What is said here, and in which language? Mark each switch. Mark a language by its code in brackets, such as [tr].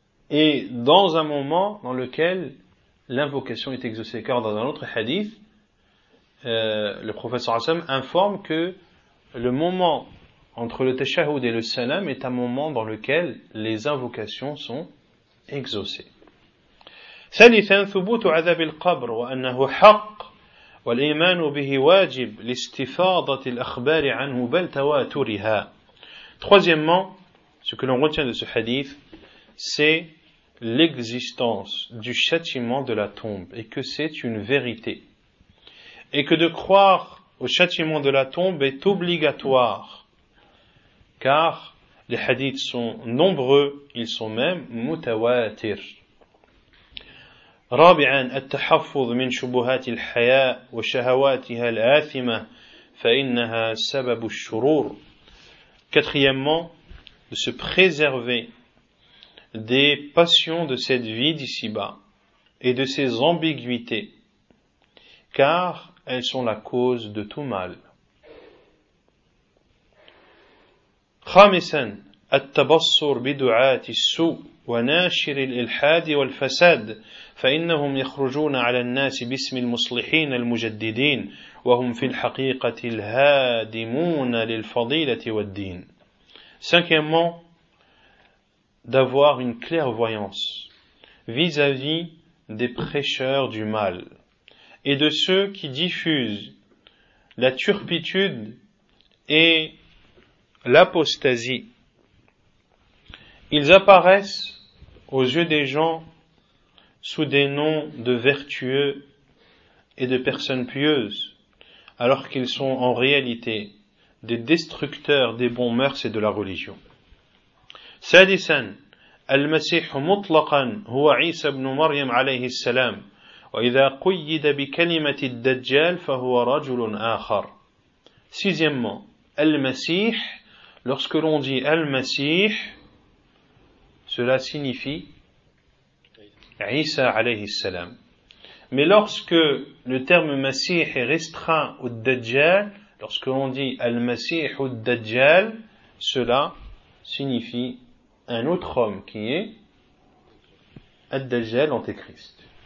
[fr] Et dans un moment dans lequel l'invocation est exaucée. Car dans un autre hadith, le prophète sallallahu alayhi wa sallam informe que le moment entre le tashahhud et le salam est un moment dans lequel les invocations sont exaucées. [ar] ثالثا ثبوت عذاب القبر وأنه حق والإيمان به واجب لاستفاضة الأخبار عنه بل تواترها. [fr] Troisièmement, ce que l'on retient de ce hadith, c'est l'existence du châtiment de la tombe et que c'est une vérité. Et que de croire au châtiment de la tombe est obligatoire, car les hadiths sont nombreux, ils sont même mutawatir. [ar] رابعا التحفظ من شبهات الحياء وشهواتها الآثمة فإنها سبب الشرور. [fr] Quatrièmement, de se préserver des passions de cette vie d'ici-bas et de ses ambiguïtés, car elles sont la cause de tout mal. [ar] خامسا التبصر بدعاة السوء وناشر الإلحاد والفساد فإنهم يخرجون على الناس باسم المصلحين المجددين وهم في الحقيقة الهادمون للفضيلة والدين. [fr] Cinquièmement, d'avoir une clairvoyance vis-à-vis des prêcheurs du mal et de ceux qui diffusent la turpitude et l'apostasie. Ils apparaissent aux yeux des gens sous des noms de vertueux et de personnes pieuses, alors qu'ils sont en réalité des destructeurs des bons mœurs et de la religion. سادسا المسيح مطلقا هو عيسى بن مريم عليه السلام وإذا قيد بكلمة الدجال فهو رجل آخر. Sixièmement, المسيح, lorsque l'on dit المسيح, cela signifie عيسى عليه السلام. Mais lorsque le terme مسيح est restreint au الدجال, lorsque l'on dit المسيح ou الدجال, cela signifie un autre homme qui est Ad-Dajjal Antéchrist.